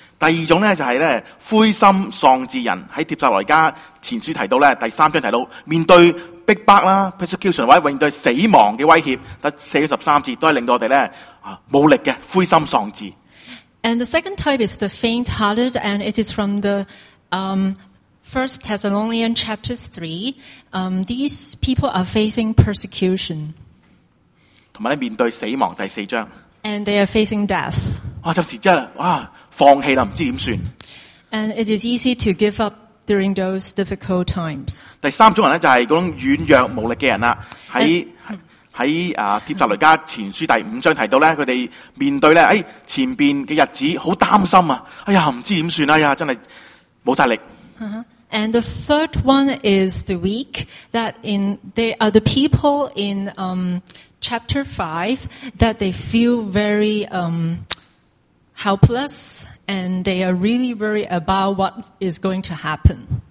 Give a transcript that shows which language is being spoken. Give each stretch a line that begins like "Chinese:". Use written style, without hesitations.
Cantonese: 第二种咧就系咧灰心丧志人喺帖撒罗尼迦前书提到咧第三章提到面对逼迫啦 persecution 或者面对死亡嘅威胁，第四十三节都系令到我哋咧冇力嘅灰心丧志。
English: And the second type is the faint-hearted, and it is from the 1 Thessalonians chapter 3. These people are facing persecution.
Cantonese: 同埋咧面对死亡第四章。
English: And they are facing death.
Cantonese: 哇！有时真系哇，放弃啦，唔知点算。
English: And it is easy to give up during those difficult times.
Cantonese: 第三种人咧就系嗰种软弱无力嘅人啦，喺帖撒罗尼迦前书第五章提到咧，佢哋面对咧，前边嘅日子好担心啊！哎呀，唔知点算啊！哎呀，真系冇晒力。
English: And the third one is the weak that in they are the people in chapter 5 that they feel very helpless and they are really worried about what is going to happen.